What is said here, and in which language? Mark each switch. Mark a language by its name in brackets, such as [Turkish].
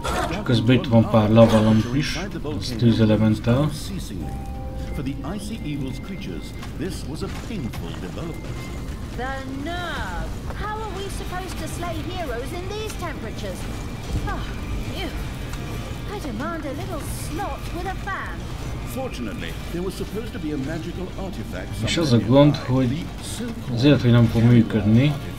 [Hungarian] Csak közben itt van pár lavalamp is, az tűzelementál. [English] For the icy evil's creatures, this was a painful development. The nerve! How are we supposed to slay heroes in these temperatures? Oh, I demand a little slot with a fan. Fortunately, there was supposed to be a magical artifact. [Hungarian] És az a gond, hogy azért, hogy nem fog működni.